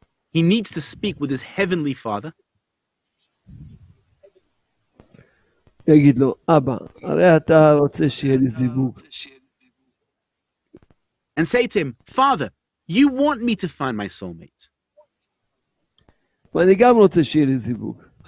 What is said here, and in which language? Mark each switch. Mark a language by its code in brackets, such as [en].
[en] He needs to speak with his heavenly father. [he] יגיד לו, אבא, הרי אתה רוצה שיהיה לי זיווג. [en] And say to him, Father, you want me to find my soulmate. [he] ואני גם רוצה שיהיה לי זיווג.